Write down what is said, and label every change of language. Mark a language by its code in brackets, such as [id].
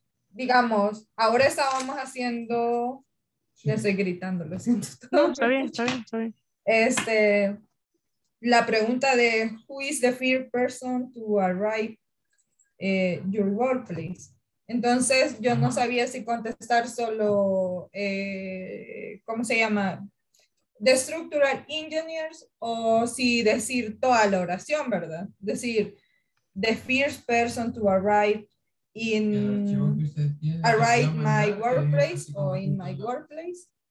[es] Digamos, ahora estábamos haciendo, ya estoy gritando, lo siento todo. No, está bien. La pregunta de, [en] who is the first person to arrive your workplace? [es] Entonces, yo no sabía si contestar solo, ¿cómo se llama? [en] The structural engineers, [es] o si decir toda la oración, ¿verdad? Decir, [en] the first person to arrive in arrive my workplace or in my workplace.